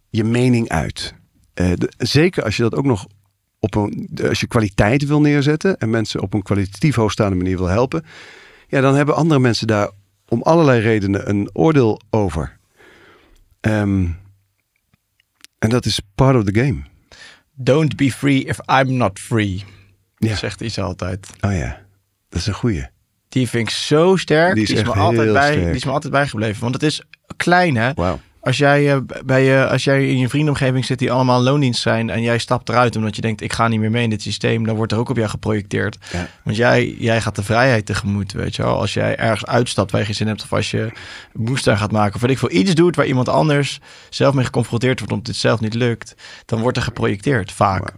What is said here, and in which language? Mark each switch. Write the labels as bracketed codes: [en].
[nl] Je mening uit. Zeker als je dat ook nog als je kwaliteit wil neerzetten en mensen op een kwalitatief hoogstaande manier wil helpen. Ja, dan hebben andere mensen daar om allerlei redenen een oordeel over. En dat is [en] part of the game. Don't be free if I'm not free. [nl] Ja. Zegt hij ze altijd. Oh ja, dat is een goeie. Die vind ik zo sterk. Die is me altijd bijgebleven. Want het is klein, hè? Wow. Als jij in je vriendomgeving zit die allemaal in loondienst zijn en jij stapt eruit omdat je denkt, ik ga niet meer mee in dit systeem, dan wordt er ook op jou geprojecteerd. Ja. Want jij gaat de vrijheid tegemoet, weet je wel. Als jij ergens uitstapt waar je geen zin hebt, of als je moestuin gaat maken, of weet ik veel, iets doet waar iemand anders zelf mee geconfronteerd wordt omdat het zelf niet lukt, dan wordt er geprojecteerd, vaak.